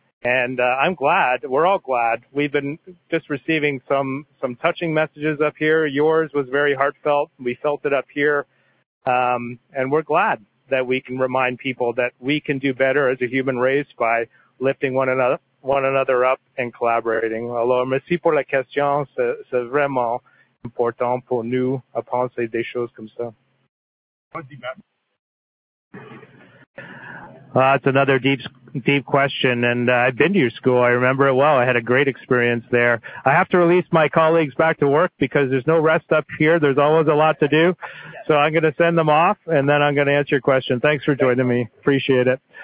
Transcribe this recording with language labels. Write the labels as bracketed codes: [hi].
[en] And I'm glad, we're all glad. We've been just receiving some touching messages up here. Yours was very heartfelt. We felt it up here. And we're glad that we can remind people that we can do better as a human race by lifting one another up and collaborating. [fr] Alors, merci pour la question. C'est vraiment important pour nous à penser des choses comme ça. [en] That's another deep question, and I've been to your school. I remember it well. I had a great experience there. I have to release my colleagues back to work because there's no rest up here. There's always a lot to do. So I'm going to send them off, and then I'm going to answer your question. Thanks for joining me. Appreciate it.